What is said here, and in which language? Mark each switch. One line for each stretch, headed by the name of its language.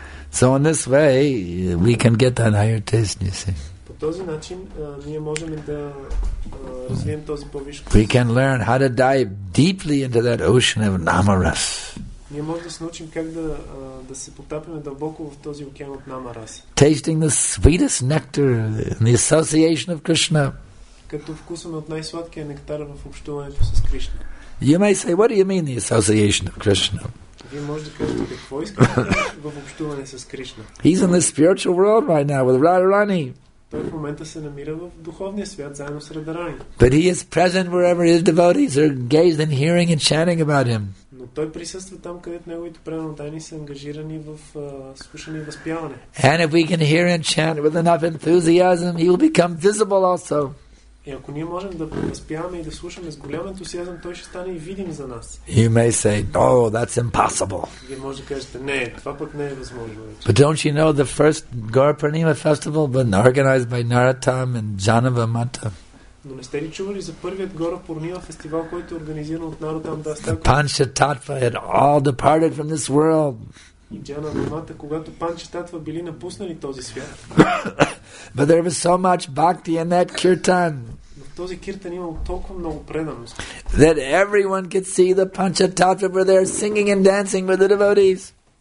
English: So in this way, we can get that higher taste, you see.
Bulgarian: Този начин ние можем да развием този повишко.
English: We can learn how to dive deeply into that ocean of Namaras.
Bulgarian: Ние можем да се научим как да се потапяме дълбоко в този океан от Намарас.
English: Tasting the sweetest nectar in the association of Krishna.
Bulgarian: Като вкусваме от най-сладкия нектар в общуването с Кришна.
English: You may say, what do you mean the association of Krishna?
Bulgarian: Вие може да кажете какво искате в общуване с Кришна.
English: He's in the spiritual world right now with Radharani.
Bulgarian: Той в момента се намира в духовния свят заедно с Радарани.
English: But he is present wherever his devotees are engaged in hearing and chanting about him.
Bulgarian: Но той присъства там, където неговите преданодари са ангажирани в слушане и възпяване.
English: And if we can hear and chant with enough enthusiasm, he will become visible also.
Bulgarian: И ако ние можем да възпяваме и да слушаме с голям ентусиазъм, той ще стане и видим за нас.
English: You may say, oh, that's impossible.
Bulgarian: Вие може да кажете, не, това пък не е възможно.
English: But don't you know the first Gaurapurnima festival was organized by Narottam and Janava Mata?
Bulgarian: Но не сте ли чували за първият Gaurapurnima фестивал, който е организиран от Narottam Das?
English: The Panchatattva had all departed from this world.
Bulgarian: И Джанава Мата, когато Панчататва били напуснали този свят.
English: But there was so much bhakti in that kirtan.
Bulgarian: В този киртан имало толкова много преданост.
English: That everyone could see the Panchatattva were there singing and dancing with the devotees.